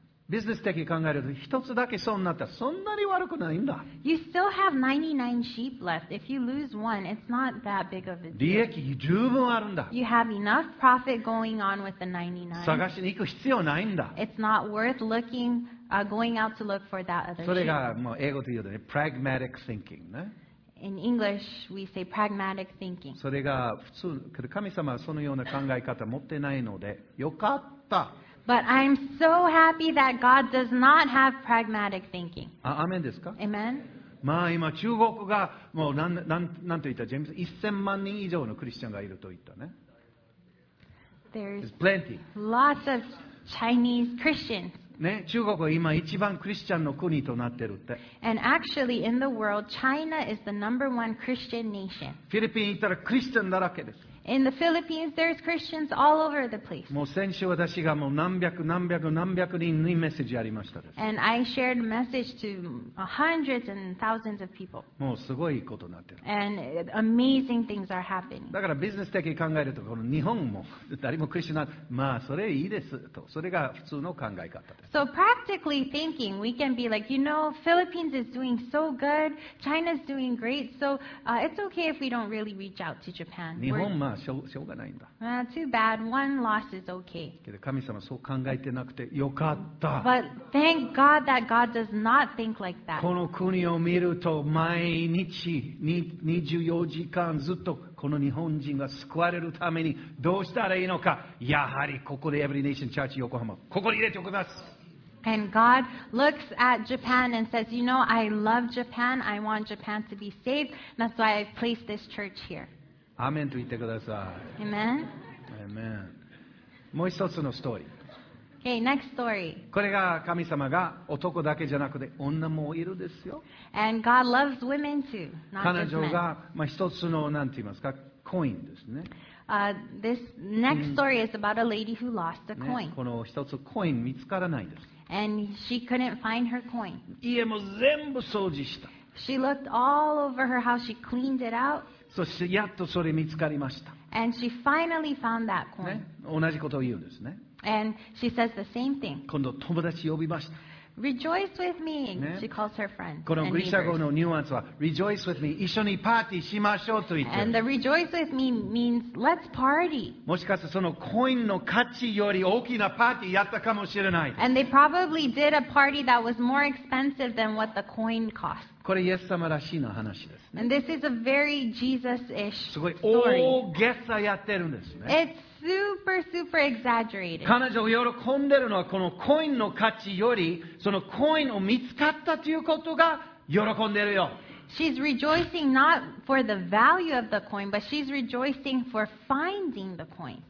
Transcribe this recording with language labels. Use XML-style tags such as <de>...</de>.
<ja>ビジネス的に考えると一つだけ損になったらそんなに悪くないんだ。</ja> <en>You still have 99 sheep left. If you lose one, it's not that big of a deal.</en> <ja>利益十分あるんだ。</ja> <en>You have enough profit going on with the 99.</en> <ja>探しに行く必要ないんだ。</ja> <en>It's not worth looking, going out to look for that other sheep.</en> <ja>それがもう英語で言うとね、</ja> <en>pragmatic thinking</en> <ja>ね。</ja> <en>In English, we say pragmatic thinking.</en> <ja>それが普通、神様はそのような考え方持ってないのでよかった。</ja> <en>But I'm so happy that God does not have pragmatic thinking.</en> <ja>アメンですか?</ja> <en>Amen.</en> <ja>まあ今中国がもう何と言った、ジェームズ、1000万人以上のクリスチャンがいると言ったね。</ja> <en>There's plenty. Lots of Chinese Christians.</en> <ja>ね、中国は今一番クリスチャンの国となってるって。</ja> <en>And actually in the world, China is the number one Christian nation.</en> <ja>フィリピン行ったらクリスチャンだらけです。</ja> <en>In the Philippines, there's Christians all over the place.</en> <ja>もう先週私がもう何百何百何百人にメッセージありましたです。</ja> <en>And I shared a message to hundreds and thousands of people.</en> <ja>もうすごいことになってる。</ja> <en>And amazing things are happening.</en> <ja>だからビジネス的に考えると、この日本も誰もクリスチャン、まあそれいいですと、それが普通の考え方です。</ja> <en>So practically thinking, we can be like, you know, Philippines is doing so good, China's doing great, so it's okay if we don't really reach out to Japan.</en> <ja>日本まあしょうがないんだ。</ja> <en>Too bad. One loss is okay.</en> <ja>けど神様そう考えてなくてよかった。</ja> <en>But thank God that God does not think like that.</en> <ja>この国を見ると毎日24時間ずっとこの日本人が救われるためにどうしたらいいのか。やはりここでEvery Nation Church横浜ここに入れておきます。</ja> <en>And God looks at Japan and says, "You know, I love Japan. I want Japan to be saved. That's why I've placed this church here."</en> <ja>アーメンと言ってください。</ja> <en>Amen. Amen.</en> <ja>もう一つのストーリー。</ja> <en>Okay, next story.</en> <ja>これが神様が男だけじゃなくて女もいるですよ。</ja> <en>And God loves women too, not just men.</en> <ja>彼女がまあ一つのなんて言いますか、コインですね。</ja> <en>This next story is about a lady who lost a coin.、</en> <ja>ね、この一つコイン見つからないです。</ja> <en>And she couldn't find her coin.</en> <ja>家も全部掃除した。</ja> <en>She looked all over her house. She cleaned it out.</en> <ja>そしてやっとそれ見つかりました。</ja> <en>And she finally found that coin.、</en> <ja>ね、同じことを言うんですね。</ja> <en>And she says the same thing.</en> <ja>今度友達呼びました。</ja> <en>Rejoice with me.、ね、she calls her friends.</en> <ja>このグリシャ語のニュアンスは、</ja> <en>Rejoice with me.</en> <ja>一緒にパーティーしましょうと言ってる。</ja> <en>And the rejoice with me means let's party.</en> <ja>もしかしてそのコインの価値より大きなパーティーやったかもしれない。</ja> <en>And they probably did a party that was more expensive than what the coin cost.</en> <ja>これイエス様らしいの話です、ね。</ja> <en>And this is a very Jesus-ish story.</en> <ja>すごい大げさやってるんですね。</ja> <en>It's super, super exaggerated.</en> <ja>彼女が喜んでるのはこのコインの価値より、そのコインを見つかったということが喜んでるよ。</ja> <en>She's rejoicing not for the value of the coin, but she's rejoicing for finding the coin.</en>